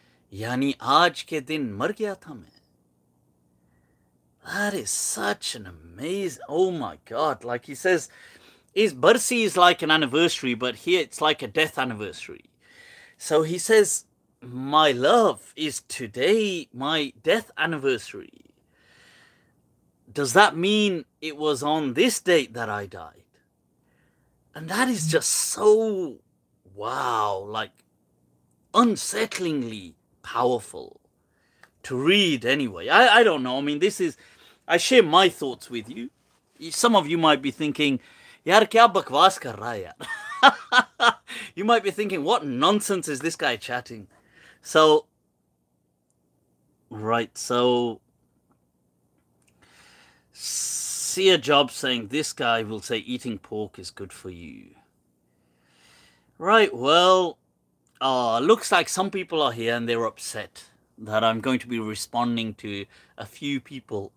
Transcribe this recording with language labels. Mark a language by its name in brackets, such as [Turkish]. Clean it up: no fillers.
[Urdu] یعنی آج کے دن مر گیا تھا میں۔ [English] That is such an amazing, oh my God. Like he says, his barsi is like an anniversary, but here it's like a death anniversary. So he says, my love, is today my death anniversary? Does that mean it was on this date that I died? And that is just so, wow, like unsettlingly powerful to read anyway. I don't know. I mean, I share my thoughts with you. Some of you might be thinking, [Urdu] یار کیا بکواس کر رہا یار؟ [English] You might be thinking, what nonsense is this guy chatting? So see a job saying this guy will say eating pork is good for you. Right, well, looks like some people are here and they're upset that I'm going to be responding to a few people.